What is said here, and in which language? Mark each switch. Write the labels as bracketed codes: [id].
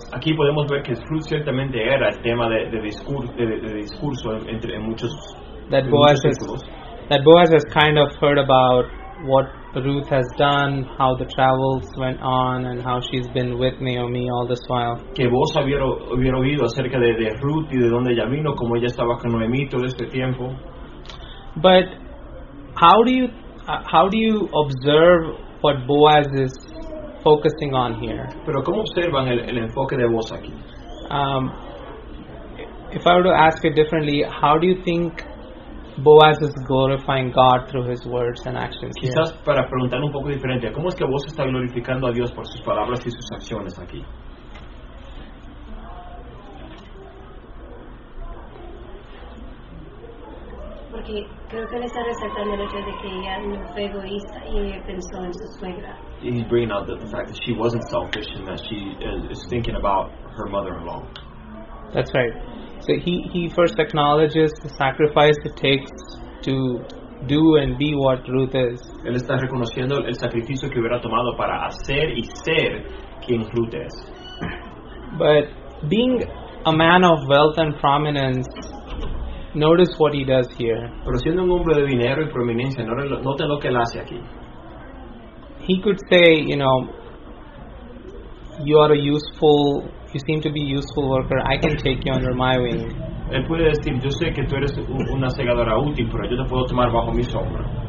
[es] Aquí podemos ver que Ruth ciertamente era el tema de discurso entre muchos. [en] That Boaz has kind of heard about what Ruth has done, how the travels went on, and how she's been with Naomi all this while. [es] Que vos habías oído acerca de Ruth y de dónde ella vino, cómo ella estaba con Noemí todo este tiempo. [en] But how do you observe what Boaz is focusing on here? [es] Pero cómo observan el enfoque de Boaz aquí? [en] If I were to ask it differently, how do you think Boaz is glorifying God through his words and actions? [es] Quizás para preguntar un poco diferente, ¿cómo es que vos está glorificando a Dios por sus palabras y sus acciones aquí? Porque creo que él está resaltando el hecho de que ella no fue egoísta y pensó en su suegra. [en] He's bringing out the fact that she wasn't selfish and that she is thinking about her mother-in-law. That's right. So he first acknowledges the sacrifice it takes to do and be what Ruth is. [es] Él está reconociendo el sacrificio que hubiera tomado para hacer y ser quien Ruth es. [en] But being a man of wealth and prominence, notice what he does here. [es] Pero siendo un hombre de dinero y prominencia, note lo que él hace aquí. [en] He could say, you know, "You are a useful. You seem to be a useful worker. I can take you under my wing." [es] Él puede decir, "Yo sé que tú eres una segadora útil, pero yo te puedo tomar bajo mi sombra."